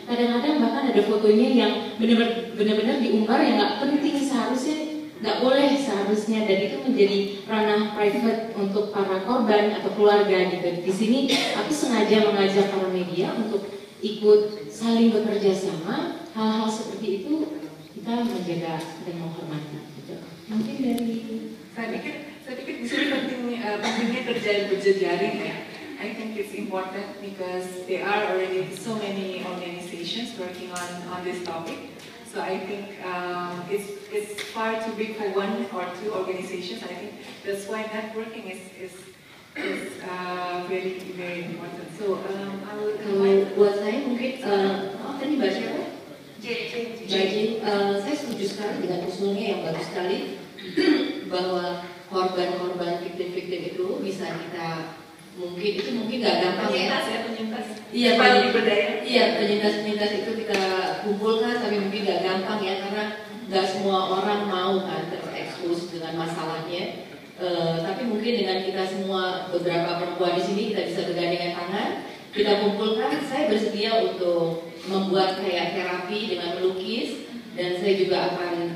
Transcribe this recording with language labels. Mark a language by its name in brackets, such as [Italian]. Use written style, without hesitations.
[Indonesian] Kadang-kadang bahkan ada fotonya yang benar-benar diumbar yang gak penting seharusnya, gak boleh seharusnya, dan itu menjadi ranah private untuk para korban atau keluarga gitu. Di sini aku sengaja mengajak para media untuk ikut saling bekerja sama, hal-hal seperti itu kita menjaga dan menghormati gitu. Mungkin dari tadi kan tapi kan pentingnya kerja berjejaring ya. [English] I think it's important because there are already so many organizations working on this topic. So I think it's far too big for one or two organizations. I think that's why networking is very very important. So I will [Indonesian] buat saya mungkin tadi Mbak siapa? Jadi saya setuju sekali dengan usulnya yang bagus sekali bahwa korban-korban victim-victim itu bisa kita mungkin itu mungkin nggak gampang penyintas, ya penyintas iya penyintas-penyintas itu kita kumpulkan tapi mungkin nggak gampang ya karena nggak semua orang mau kan terekspos dengan masalahnya tapi mungkin dengan kita semua beberapa perempuan di sini kita bisa bergandengan tangan kita kumpulkan saya bersedia untuk membuat kayak terapi dengan melukis dan saya juga akan